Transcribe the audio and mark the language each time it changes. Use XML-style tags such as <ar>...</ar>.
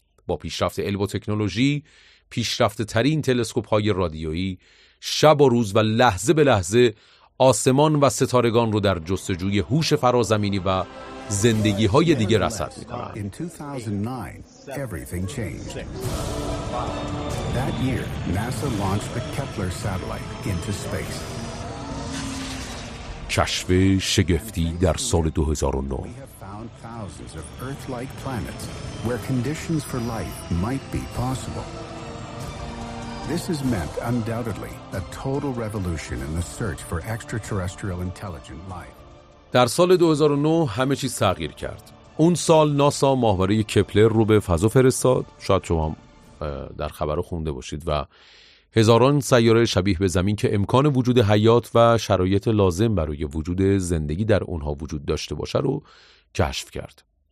<fa>با پیشرفت علم و تکنولوژی، پیشرفت ترین تلسکوپ های رادیویی، شب و روز و لحظه به لحظه آسمان و ستارگان رو در جستجوی هوش فرازمینی و زندگی های دیگر رصد می کنند.</fa> <en>Everything changed. That year, NASA launched the Kepler satellite into space.</en> <fa>کشف شگفتی در سال 2009.</fa> <en>We have found thousands of Earth-like planets where conditions for life might be possible. This has meant undoubtedly a total revolution in the search for extraterrestrial intelligent life.</en> <fa>در سال 2009 همه چیز تغییر کرد. اون سال ناسا ماهواره کپلر رو به فضا فرستاد. شاید شما در خبرو خونده باشید و هزاران سیاره شبیه به زمین که امکان وجود حیات و شرایط لازم برای وجود زندگی در اونها وجود داشته باشه رو کشف کرد.</fa>